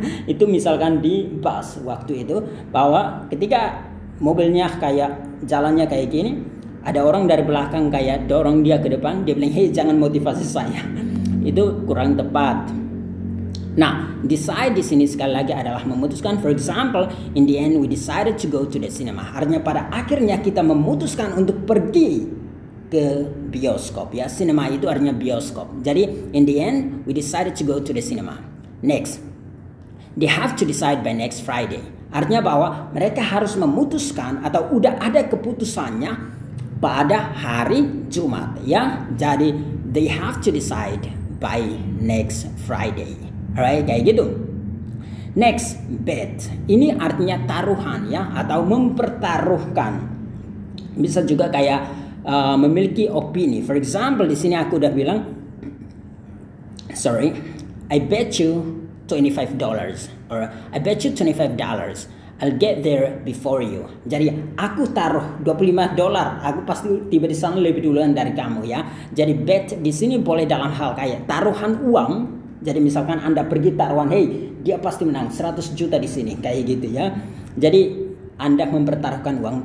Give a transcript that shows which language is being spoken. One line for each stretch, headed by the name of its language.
Indonesian: Itu misalkan di bus waktu itu, bahwa ketika mobilnya kayak jalannya kayak gini, ada orang dari belakang kayak dorong dia ke depan, dia bilang, hei jangan motivasi saya. Itu kurang tepat. Nah, decide di sini sekali lagi adalah memutuskan.
English: For example, in the end we decided to go to the cinema.
Indonesian: Artinya pada akhirnya kita memutuskan untuk pergi ke bioskop ya. Cinema itu artinya bioskop. Jadi,
English: in the end we decided to go to the cinema. Next. They have to decide by next Friday.
Indonesian: Artinya bahwa mereka harus memutuskan atau udah ada keputusannya pada hari Jumat ya. Jadi,
English: they have to decide by next Friday.
Indonesian: Alright, kayak gitu. Next, bet. Ini artinya taruhan ya, atau mempertaruhkan. Bisa juga kayak memiliki opini.
English: For example,
Indonesian: di sini aku udah bilang,
English: sorry, I bet you $25 or I bet you $25 I'll get there before you.
Indonesian: Jadi aku taruh $25, aku pasti tiba di sana lebih duluan dari kamu ya. Jadi bet di sini boleh dalam hal kayak taruhan uang. Jadi misalkan Anda pergi taruhan, hey, dia pasti menang 100 juta di sini, kayak gitu ya. Jadi Anda mempertaruhkan uang.